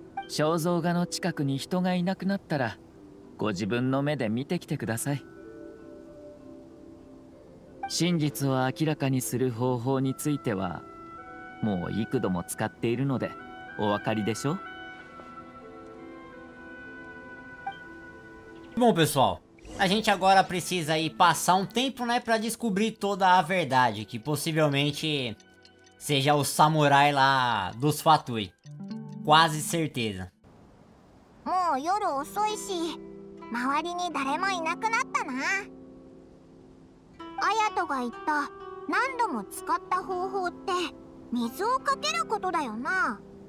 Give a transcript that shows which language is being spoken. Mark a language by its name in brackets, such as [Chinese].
[Japanese] 肖像画の近くに人がいなくなったらご自分の目で見てきてください。真実を明らかにする方法についてはもう幾度も使っているのでお分かりでしょう。 [Portuguese] Bom, pessoal, a gente agora precisa aí passar um tempo, né, pra descobrir toda a verdade, que possivelmente seja o samurai lá dos Fatui. Quase certeza. [Japanese] もう夜遅いし、周りに誰もいなくなったな。アヤトが言った何度も使った方法って水をかけることだよな。